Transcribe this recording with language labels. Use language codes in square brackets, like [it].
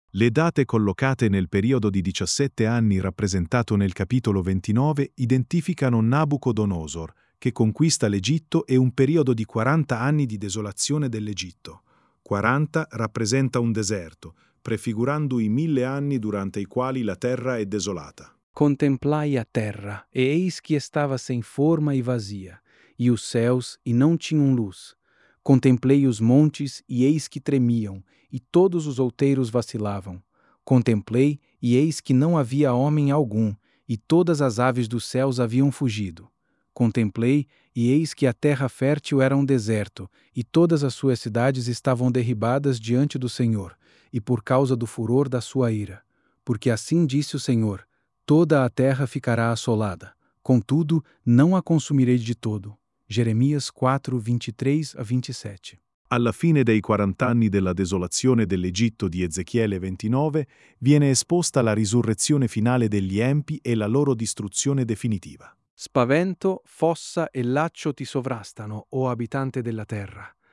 [it] Le date collocate nel periodo di 17 anni rappresentato nel capitolo 29 identificano Nabucodonosor, che conquista l'Egitto e un periodo di 40 anni di desolazione dell'Egitto. 40 rappresenta un deserto, prefigurando i 1000 anni durante i quali la terra è desolata. [pt] Contemplai a terra, e eis che estava sen forma e vazia, e os céus, e non tinham luz. Contemplei os montes, e eis que tremiam, e todos os outeiros vacilavam. Contemplei, e eis que não havia homem algum, e todas as aves dos céus haviam fugido. Contemplei, e eis que a terra fértil era um deserto, e todas as suas cidades estavam derribadas diante do Senhor, e por causa do furor da sua ira. Porque assim disse o Senhor, toda a terra ficará assolada. Contudo, não a consumirei de todo. Jeremias 4, 23 a 27. [it] Alla fine dei 40 anni della desolazione dell'Egitto di Ezechiele 29, viene esposta la risurrezione finale degli empi e la loro distruzione definitiva. Spavento, fossa e laccio ti sovrastano, o abitante della terra.